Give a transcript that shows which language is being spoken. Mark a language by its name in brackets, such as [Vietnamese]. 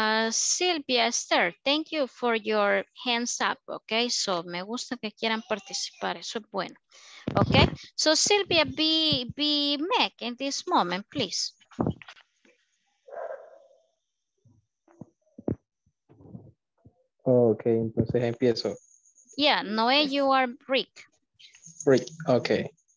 [English] Silvia, Esther, thank you for your hands up, okay? [Spanish] So, me gusta que quieran participar, eso es bueno, okay? [English] So, Silvia, be Mac in this moment, please. [Spanish] Okay, entonces empiezo. [English] Yeah, Noé, you are Rick. Rick, okay.